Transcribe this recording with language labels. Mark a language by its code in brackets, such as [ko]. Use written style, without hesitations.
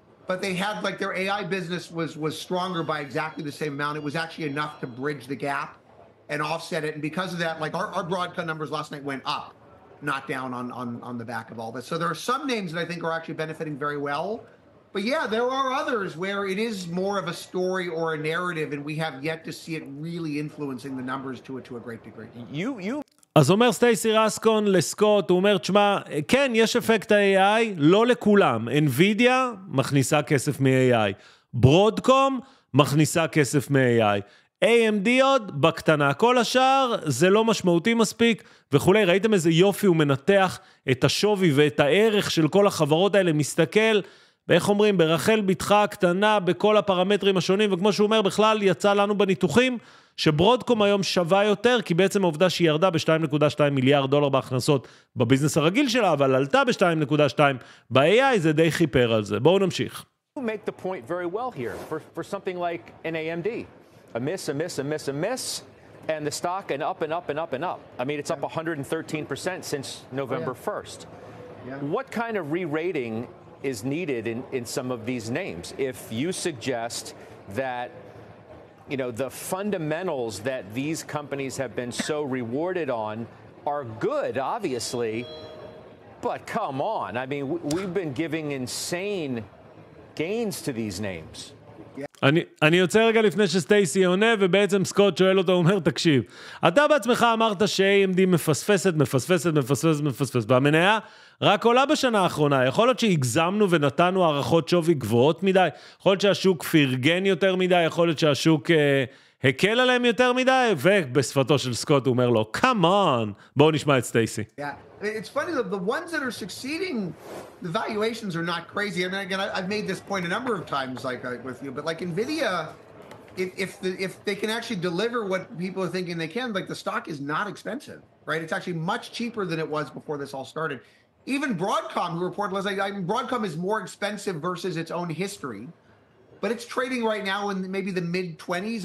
[en] But they had, like, their AI business was stronger by exactly the same amount. It was actually enough to bridge the gap and offset it. And because of that, like, our Broadcom numbers last night went up, not down on the back of all this. So there are some names that I think are actually benefiting very well. But, yeah, there are others where it is more of a story or a narrative, and we have yet to see it really influencing the numbers to a great degree. You... [he] אז אומר סטייסי רסקון לסקוט, הוא אומר, תשמע, כן, יש אפקט ה-AI, לא לכולם. NVIDIA מכניסה כסף מ-AI. Broadcom מכניסה כסף מ-AI. AMD עוד בקטנה. כל השאר זה לא משמעותי מספיק וכולי. ראיתם איזה יופי, הוא מנתח את השווי ואת הערך של כל החברות האלה, מסתכל, ואיך אומרים, ברחל ביתך הקטנה, בכל הפרמטרים השונים, וכמו שהוא אומר, בכלל יצא לנו בניתוחים, שברודקום היום שווה יותר, כי בעצם העובדה שהיא ירדה ב-2.2 מיליארד דולר בהכנסות בביזנס הרגיל שלה, אבל עלתה ב-2.2 ב-AI, זה די חיפר על זה. בואו נמשיך. [en] You make the point very well here for something like an AMD. A miss, a miss, a miss, a miss, and the stock and up and up and up and up. I mean, it's up 113% since November 1st. What kind of re-rating is needed in some of these names? If you suggest that you know, the fundamentals that these companies have been so rewarded on are good, obviously, but come on. I mean, we've been giving insane gains to these names. [he] אני יוצא רגע לפני שסטייסי עונה, ובעצם סקוט שואל אותו, אומר, תקשיב, אתה בעצמך אמרת ש-AMD מפספסת, מפספסת, מפספסת, מפספסת, והמניה רק עולה בשנה האחרונה, יכול להיות שהגזמנו ונתנו הערכות שווי גבוהות מדי, יכול להיות שהשוק פירגן יותר מדי, יכול להיות שהשוק הקל עליהם יותר מדי, ובשפתו של סקוט הוא אומר לו, [en] "Come on, [he] בואו נשמע את סטייסי." [en] Yeah, it's funny, the ones that are succeeding, the valuations are not crazy. I mean, again, I've made this point a number of times, like with you, but like Nvidia, if they can actually deliver what people are thinking they can, like the stock is not expensive, right? It's actually much cheaper than it was before this all started. Even Broadcom, who reported, Broadcom is more expensive versus its own history, but it's trading right now in maybe the mid-20s.